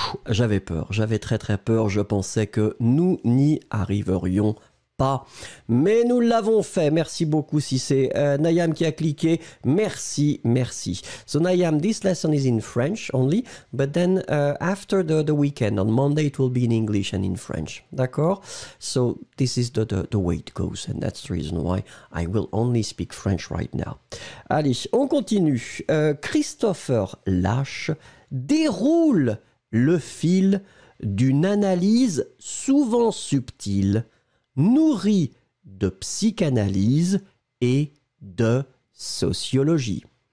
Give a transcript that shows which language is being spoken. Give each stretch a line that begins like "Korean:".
French: J'avais très très peur, je pensais que nous n'y arriverions pas. Mais nous l'avons fait, merci beaucoup si c'est Nayam qui a cliqué, merci.
English: So Nayam, this lesson is in French only, but then after the weekend, on Monday it will be in English and in French, d'accord? So this is the way it goes and that's the reason why I will only speak French right now.
French: Allez, on continue. Christopher Lash déroule le fil d'une analyse souvent subtile, nourrie de psychanalyse et de sociologie.